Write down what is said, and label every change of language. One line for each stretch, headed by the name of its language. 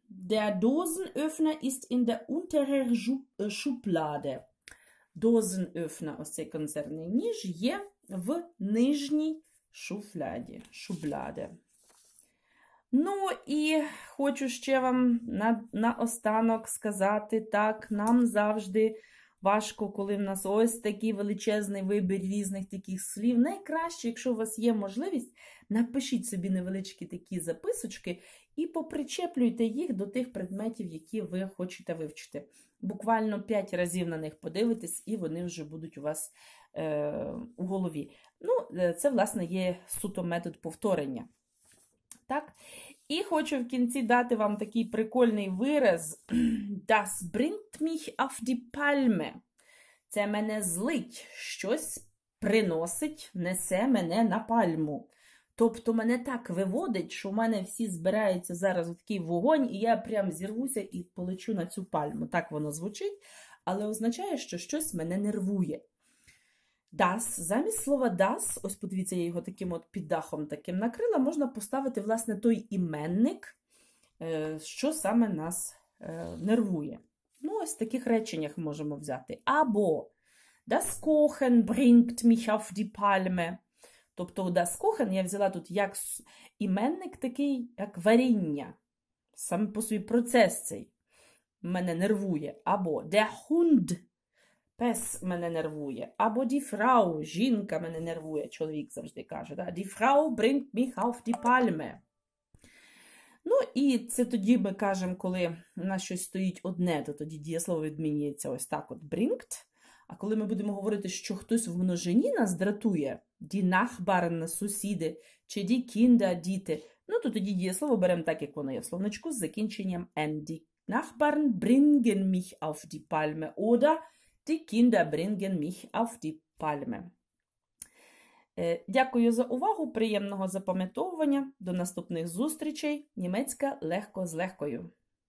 German: Der Dosenöffner ist in der unteren Schublade.
Ukrainian: Dosenöffner, ось цей консервний ніж, є в нижній шуфляді. Шубладе. Ну і хочу ще вам наостанок сказати, так, нам завжди важко, коли в нас ось такий величезний вибір різних таких слів. Найкраще, якщо у вас є можливість, напишіть собі невеличкі такі записочки і попричеплюйте їх до тих предметів, які ви хочете вивчити. Буквально 5 разів на них подивитесь, і вони вже будуть у вас у голові. Ну, це, власне, є суто метод повторення. Так? І хочу в кінці дати вам такий прикольний вираз.
German: Das bringt mich auf die Palme.
Ukrainian: Це мене злить. Щось приносить, несе мене на пальму. Тобто мене так виводить, що в мене всі збираються зараз в такий вогонь, і я прям зірвуся і полечу на цю пальму. Так воно звучить, але означає, що щось мене нервує. Das, замість слова das, ось подивіться, я його таким от під дахом таким накрила, можна поставити, власне, той іменник, що саме нас нервує. Ну, ось в таких реченнях можемо взяти. Або
German: das Kochen bringt mich auf die Palme.
Ukrainian: Тобто
German: das Kochen
Ukrainian: я взяла тут як іменник такий, як варіння. Саме по собі процес цей мене нервує. Або
German: der Hund,
Ukrainian: пес мене нервує. Або
German: die Frau,
Ukrainian: жінка мене нервує. Чоловік завжди каже, да?
German: Die Frau bringt mich auf die Palme.
Ukrainian: Ну і це тоді ми кажемо, коли у нас щось стоїть одне, то тоді дієслово відмінюється ось так от bringt. А коли ми будемо говорити, що хтось в множині нас дратує,
German: die Nachbarn,
Ukrainian: сусіди, чи
German: die Kinder,
Ukrainian: діти, ну то тоді дієслово беремо так, як воно є, в словничку з закінченням n.
German: Die Nachbarn bringen mich auf die Palme. Oder die Kinder bringen mich auf die Palme.
Ukrainian: Дякую за увагу, приємного запам'ятовування. До наступних зустрічей. Німецька легко з легкою.